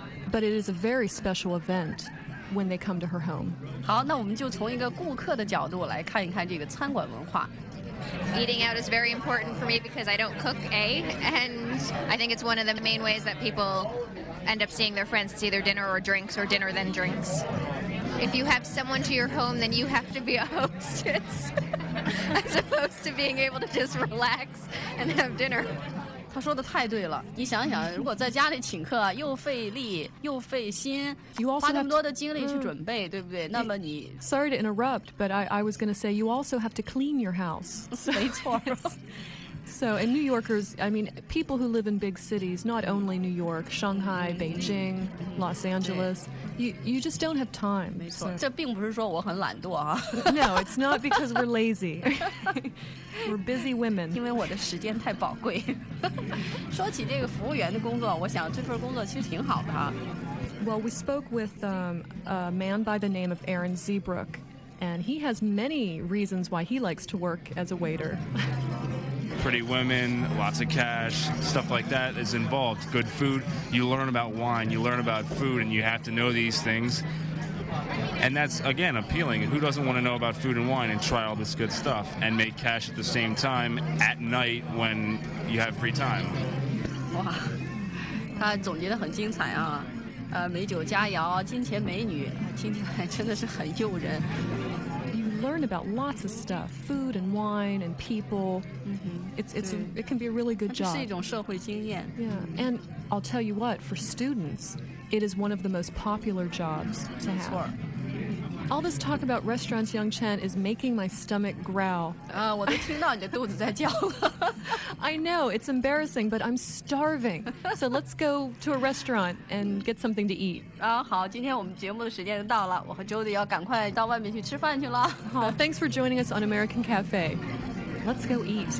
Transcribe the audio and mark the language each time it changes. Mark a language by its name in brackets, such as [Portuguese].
[English] But it is a very special event when they come to her home. [Chinese] 好，那我们就从一个顾客的角度来看一看这个餐馆文化。 [English] Eating out is very important for me because I don't cook, and I think it's one of the main ways that people... end up seeing their friends. It's either dinner or drinks or dinner then drinks. If you have someone to your home, then you have to be a hostess as opposed to being able to just relax and have dinner. [Chinese] 他说的太对了。你想想，如果在家里请客，又费力又费心，花那么多的精力去准备，对不对？那么你 [English] Sorry to interrupt, but I was going to say you also have to clean your house. [Chinese] 没错。 [English] So, and New Yorkers, I mean, people who live in big cities, not only New York, Shanghai, Beijing, Los Angeles, you just don't have time. [Chinese] 没错，这并不是说我很懒惰啊。 [English] No, it's not because we're lazy. We're busy women. [Chinese] 因为我的时间太宝贵。说起这个服务员的工作，我想这份工作其实挺好的。 [English] Well, we spoke with a man by the name of Aaron Zeebrook, and he has many reasons why he likes to work as a waiter. Pretty women, lots of cash, stuff like that is involved. Good food. You learn about wine, you learn about food, and you have to know these things. And that's, again, appealing. Who doesn't want to know about food and wine and try all this good stuff and make cash at the same time at night when you have free time? [Chinese] Wow, he 总结得很精彩啊。美酒佳肴，金钱美女，听起来真的是很诱人。 [English] Learn about lots of stuff, food and wine and people. Mm-hmm. It can be a really good job. [Chinese] 是一种社会经验。 [English] Yeah, and I'll tell you what, for students, it is one of the most popular jobs to have. [Chinese] 没错。 [English] All this talk about restaurants, Yangchen, is making my stomach growl. [Chinese] 我都听到你的肚子在叫了。 [English] I know, it's embarrassing, but I'm starving. So let's go to a restaurant and get something to eat. [Chinese] 好，今天我们节目的时间到了，我和 Jody 要赶快到外面去吃饭去了。 [English] 好，thanks for joining us on American Cafe. Let's go eat.